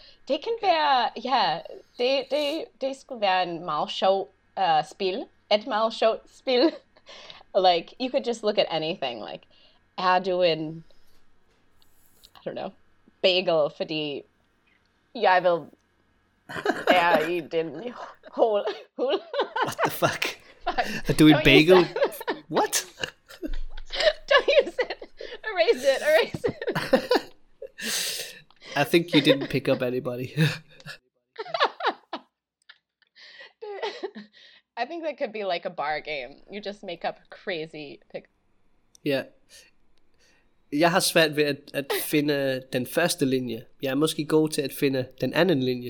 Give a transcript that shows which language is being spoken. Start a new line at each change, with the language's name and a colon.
Danish: Det kan være, ja, det skulle være en meget sjov spil. Et meget sjovt spil.
English: Like, you could just look at anything.
Danish: Like, er du en,
English: I don't know,
Danish: bagel, fordi jeg vil være i din hul.
English: What the fuck? Are doing bagel? What? Don't use it. Erase it. I think you didn't pick up anybody. I think that could be like a bar game. You just make up crazy pick. Yeah.
Danish: Jeg har svært ved at finde den første linje. Jeg er måske god til at finde den anden linje.